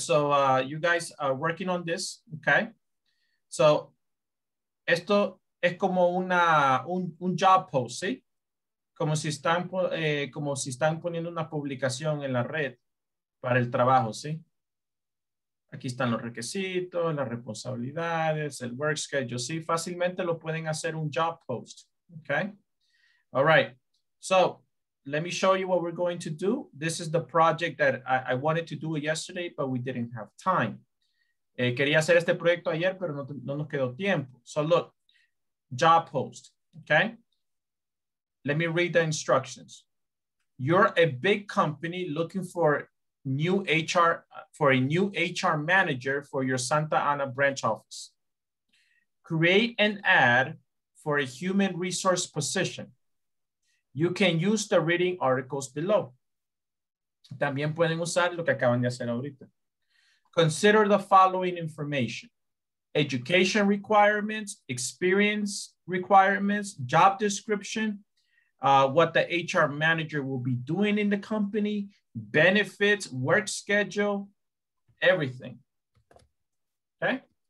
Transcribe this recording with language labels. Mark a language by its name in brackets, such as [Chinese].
[English] So you guys are working on this, okay? [Spanish] So esto es como un job post, ¿sí? Como si están poniendo una publicación en la red para el trabajo, ¿sí? Aquí están los requisitos, las responsabilidades, el work schedule, ¿sí? Fácilmente lo pueden hacer un job post, okay? [English] All right. So let me show you what we're going to do. This is the project that I wanted to do yesterday, but we didn't have time. [Spanish] Quería hacer este proyecto ayer, pero no nos quedó tiempo. [English] So look, job post, okay? Let me read the instructions. You're a big company looking for a new HR manager for your Santa Ana branch office. Create an ad for a human resource position. You can use the reading articles below. [Spanish] También pueden usar lo que acaban de hacer ahorita. [English] Consider the following information: education requirements, experience requirements, job description, what the HR manager will be doing in the company, benefits, work schedule, everything. Okay?